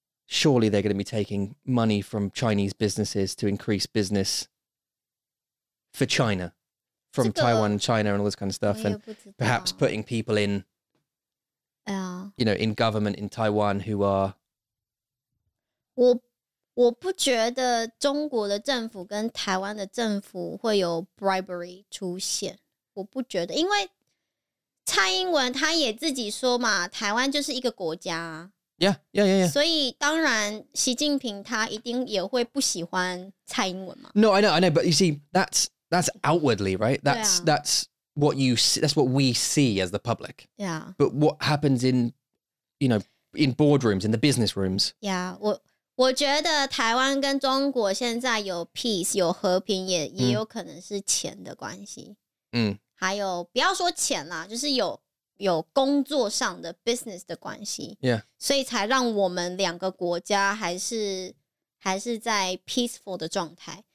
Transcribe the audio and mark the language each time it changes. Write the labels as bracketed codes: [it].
[en] surely they're going to be taking money from Chinese businesses to increase business for China, from Taiwan, China and all this kind of stuff. And perhaps putting people in,、you know, in government in Taiwan who are... [zh] Well,我不觉得中国的政府跟台湾的政府会有 bribery 出现，我不觉得，因为蔡英文他也自己说嘛，台湾就是一个国家 [en] ，Yeah. [zh] 所以当然，习近平他一定也会不喜欢蔡英文嘛。 [en] No, I know, but you see, that's outwardly, right? That's what you see, that's what we see as the public. Yeah. But what happens in, you know, in boardrooms, in the business rooms? Yeah. [zh] 我觉得台湾跟中国现在有 peace, 有和平 也有可能是钱的关系。嗯。还有不要说钱啦就是有工作上的 business 的关系。 [en] Yeah. [zh] 所以才让我们两个国家还是在 peaceful 的状态。